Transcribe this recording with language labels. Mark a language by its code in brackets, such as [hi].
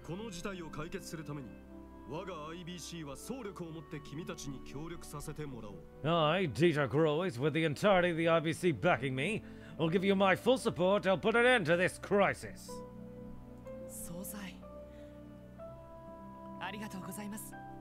[ja] この事態を解決するために、我が IBC は総力を持って君たちに協力させてもらおう。 [en] I, Dieter Groys, with the entirety of the IBC backing me, will give you my full support to put an end to this crisis. [ja] 総裁、ありがとうございます。